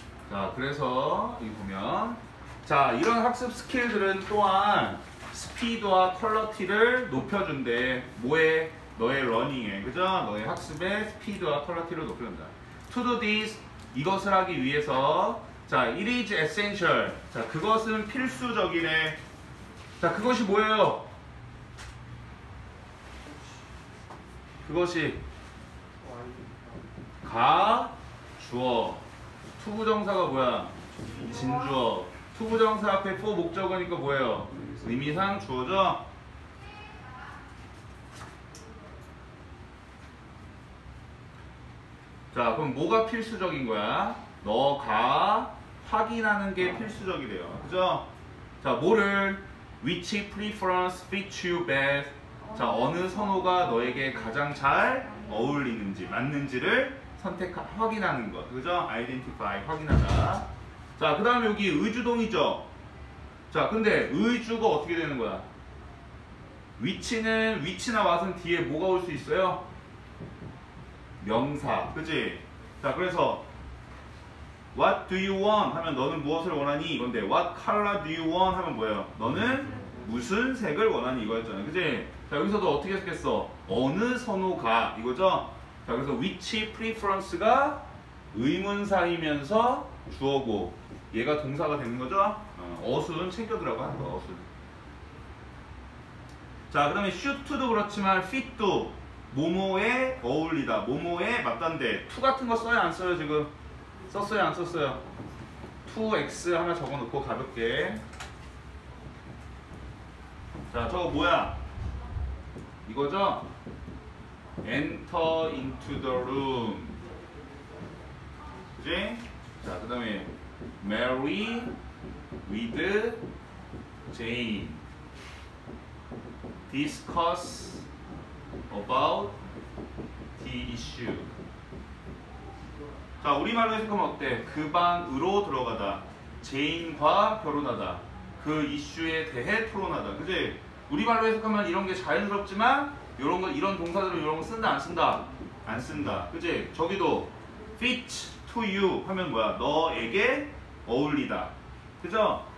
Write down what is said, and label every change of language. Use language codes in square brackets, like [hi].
[ko] 자, 그래서 이 보면 자, 이런 학습 스킬들은 또한 스피드와 퀄러티를 높여준대. 뭐에? 너의 러닝에, 그죠? 너의 학습의 스피드와 퀄러티를 높여준다. [en] To do this, [ko] 이것을 하기 위해서 자, [en] it is essential. [ko] 자, 그것은 필수적이네. 자, 그것이 뭐예요? 그것이 가 주어. 투부정사가 뭐야? 진주어. 투부정사 앞에 for 목적어니까 뭐예요? 의미상 주어죠? 자, 그럼 뭐가 필수적인 거야? 너가 확인하는 게 필수적이래요, 그죠? 자, 뭐를? [en] Which preference fits you best? [ko] 자, 어느 선호가 너에게 가장 잘 어울리는지, 맞는지를 선택 확인하는 것, 그죠? Identify, 확인하다. 자, 그 다음에 여기 의주동이죠? 자, 근데 의주가 어떻게 되는 거야? 위치는, 위치나 와선 뒤에 뭐가 올 수 있어요? 명사, 그지? 자, 그래서 [en] What do you want? [ko] 하면 너는 무엇을 원하니? 이건데 [en] What color do you want? [ko] 하면 뭐예요? 너는 무슨 색을 원하니? 이거였잖아요, 그지? 자, 여기서도 어떻게 했겠어? 어느 선호가, 이거죠? 자, 그래서 which preference가 의문사이면서 주어고 얘가 동사가 되는 거죠? 어순 챙겨두라고 하는 거 어순. 자, 그 다음에 슈트도 그렇지만 핏도 모모에 어울리다, 모모에 맞단대. 투 같은 거 써요 안 써요 지금? 썼어요 안 썼어요? 투 X 하나 적어놓고 가볍게. 자, 저거 뭐야? 이거죠? [en] Enter into the room. [ko] 그지? 자, 그 다음에 [en] Mary with Jane. Discuss about the issue. [ko] 자, 우리말로 해석하면 어때? 그 방으로 들어가다. 제인과 결혼하다. 그 이슈에 대해 토론하다. 그지? 우리말로 해석하면 이런 게 자연스럽지만, 이런 거, 이런 동사들을 이런 거 쓴다, 안 쓴다? 안 쓴다. 그지? 저기도 [en] fit to you [ko] 하면 뭐야? 너에게 어울리다. 그죠?